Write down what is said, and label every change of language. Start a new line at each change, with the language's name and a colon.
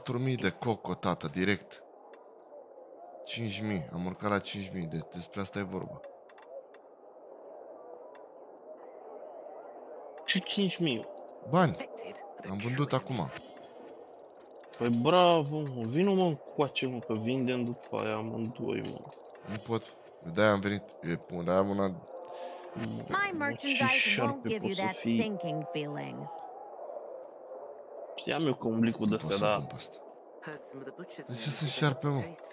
Romanian: 4.000 de coco, tată, direct. 5.000, am urcat la 5.000, despre asta e vorba. Ce 5.000? Bani, am vândut acum. Păi bravo, vină mă încoace, mă, că vindem după aia amândoi, mă. Nu pot. De-aia am venit, e bun, de-aia am una...
English: My merchandise won't give you that sinking feeling.
Romanian: Știam eu că umbli cu dăstea, da. Nu pot să-mi cumpă asta. De ce sunt șarpe, mă?